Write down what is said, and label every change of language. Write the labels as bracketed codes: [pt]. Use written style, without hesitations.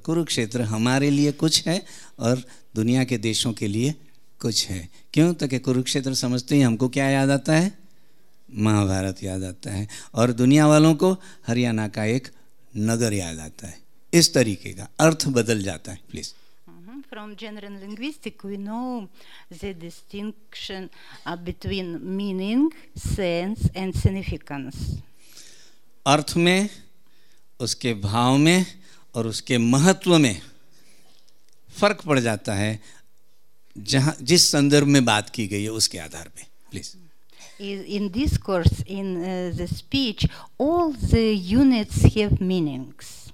[hi] कुरुक्षेत्र हमारे लिए कुछ है और दुनिया के देशों के लिए कुछ है. क्यों? तो कि कुरुक्षेत्र समझते ही हमको क्या याद आता है, महाभारत याद आता है, और दुनिया वालों को हरियाणा का एक नगर याद आता है. इस तरीके का अर्थ बदल जाता है. Please. [en] From general linguistics, we know the distinction between meaning, sense, and significance. [hi] अर्थ में, उसके भाव में और उसके महत्व में फर्क पड़ जाता है जहाँ जिस संदर्भ में बात की गई है उसके आधार पे. [en] Please. In discourse, in the speech, all the units have meanings.